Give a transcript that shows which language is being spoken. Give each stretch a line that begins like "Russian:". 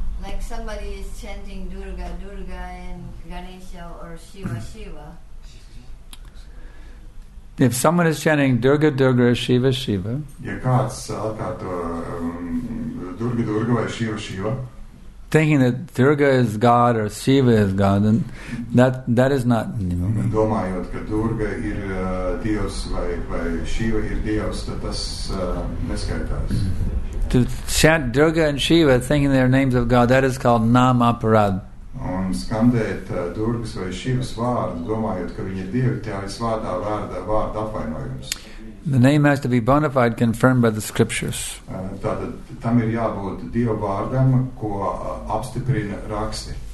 English: Like somebody is chanting Durga, Durga, and Ganesha, or Shiva, Shiva. If someone is chanting Durga, Durga, Shiva, Shiva.
Latvian: Ja kāds atkārto Durga, Durga, vai Shiva, Shiva.
English: Thinking that Durga is God or Shiva is God, then that is not name.
Latvian: Domājot, ka Durga ir Dievs vai Shiva ir Dievs, tad tas neskaitās.
English: To chant Durga and Shiva, thinking they're names of God, that is called nam aparad.
Latvian: Un skandēt Durgas vai Shivas vārdu, domājot, ka viņi ir Dievi, tā ir svārdā vārda apvainojums.
English: The name has to be bona fide, confirmed by the scriptures.
Latvian: Tātad, tam ir jābūt Dieva vārdam, ko apstiprina raksti.